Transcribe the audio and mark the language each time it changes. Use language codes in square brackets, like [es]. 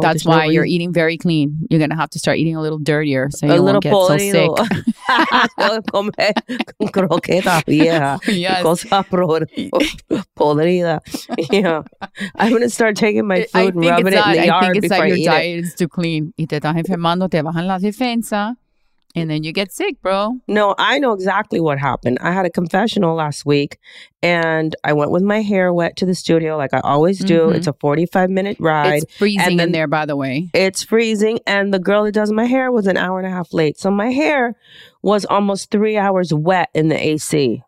[en] That's why you're eating very clean. You're going to have to start eating a little dirtier so you won't get so sick. [es] Come croqueta, yeah. Podrida. Yeah. [en] I'm going to start taking my food and rubbing it in the yard before I eat it. I think it's that your diet is too clean. [es] Y te estás enfermando, te bajan las defensas. [en] And then you get sick, bro. No, I know exactly what happened. I had a confessional last week and I went with my hair wet to the studio like I always do. Mm-hmm. It's a 45-minute ride. It's freezing and then, in there, by the way. It's freezing. And the girl that does my hair was an hour and a half late. So my hair was almost 3 hours wet in the AC.